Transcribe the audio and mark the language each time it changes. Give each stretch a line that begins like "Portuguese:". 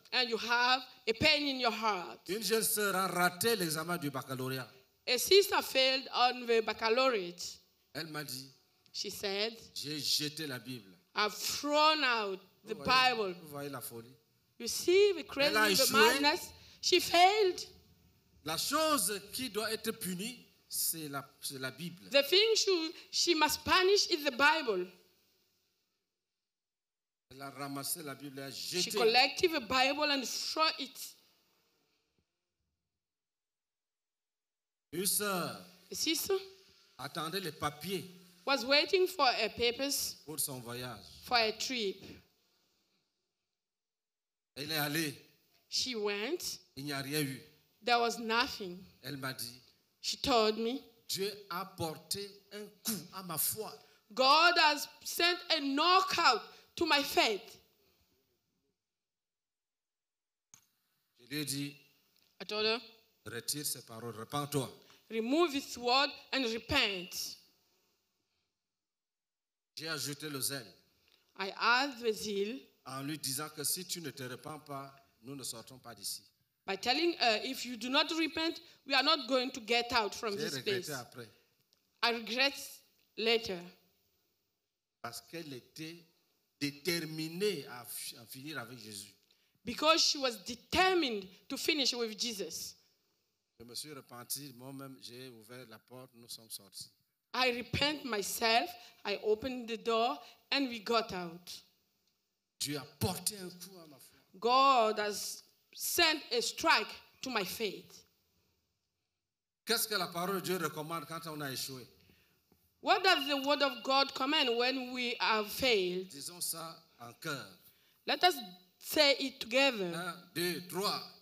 English: And you have a pain in your heart.
French: Une jeune sœur a raté l'examen du baccalauréat.
English: A sister failed on the baccalaureate.
French: Elle m'a dit.
English: She said.
French: J'ai jeté la Bible.
English: I've thrown out the Bible.
French: Vous voyez la folie.
English: You see the crazy, the madness. She failed.
French: La chose qui doit être punie, c'est la Bible.
English: The thing she must punish is the Bible.
French: Elle a ramassé la Bible et a jeté.
English: She collected the Bible and threw it.
French: Une sœur.
English: A sister.
French: Attendait les papiers.
English: Was waiting for her papers.
French: Pour son voyage.
English: For a trip.
French: Elle est allée.
English: She went.
French: Il n'y a rien eu.
English: There was nothing.
French: Elle m'a dit.
English: She told me.
French: Dieu a porté un coup à ma foi.
English: God has sent a knockout to my faith.
French: Je lui ai dit.
English: I told her.
French: Retire ces paroles. Repens-toi.
English: Remove this word and repent.
French: J'ai ajouté le zèle.
English: I add the zeal.
French: En lui disant que si tu ne te repens pas, nous ne sortons pas d'ici.
English: By telling her, if you do not repent, we are not going to get out from
French: J'ai
English: this place.
French: Après.
English: I regret later.
French: Parce qu'elle était déterminée à finir avec Jésus.
English: Because she was determined to finish with Jesus.
French: Je me suis repenti, moi-même, j'ai ouvert la porte, nous sommes sortis.
English: I repent myself, I opened the door, and we got out.
French: Dieu a porté un coup à ma foi.
English: God has sent a strike to my faith.
French: Qu'est-ce que la parole de Dieu recommande quand on a échoué?
English: What does the word of God command when we have failed?
French: Disons ça en cœur.
English: Let us say it together. 1, 2, 3.